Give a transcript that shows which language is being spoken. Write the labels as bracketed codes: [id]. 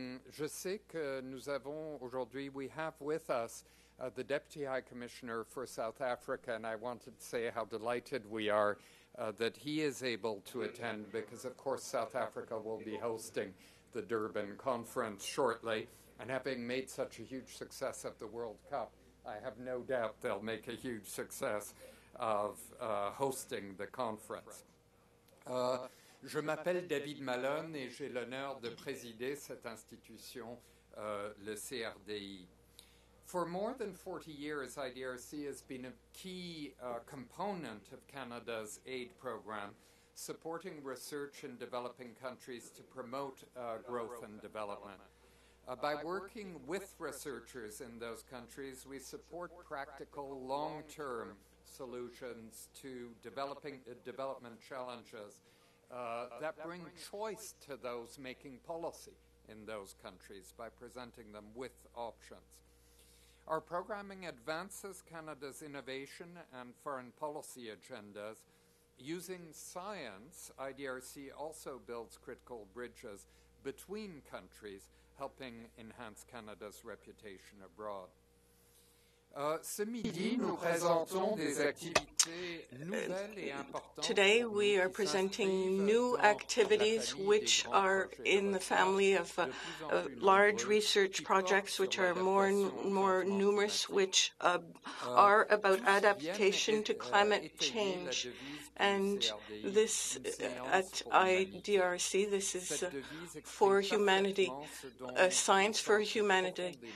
[fr] Je sais que nous avons aujourd'hui, [en] we have with us the Deputy High Commissioner for South Africa, and I wanted to say how delighted we are that he is able to attend, because of course South Africa will be hosting the Durban conference shortly, and having made such a huge success of the World Cup, I have no doubt they'll make a huge success of hosting the conference. [fr] Je m'appelle David Malone et j'ai l'honneur de présider cette institution, le CRDI. [en] For more than 40 years, IDRC has been a key component of Canada's aid program, supporting research in developing countries to promote growth and development. By working with researchers in those countries, we support practical long-term solutions to development challenges that bring choice to those making policy in those countries by presenting them with options. Our programming advances Canada's innovation and foreign policy agendas. Using science, IDRC also builds critical bridges between countries, helping enhance Canada's reputation abroad. [fr] Ce midi, nous présentons des activités nouvelles et importantes. [en] Today, we are presenting new activities which are in the family of large research projects, which are more and more numerous, which are about adaptation to climate change. And this, at IDRC, this is for humanity, science for humanity.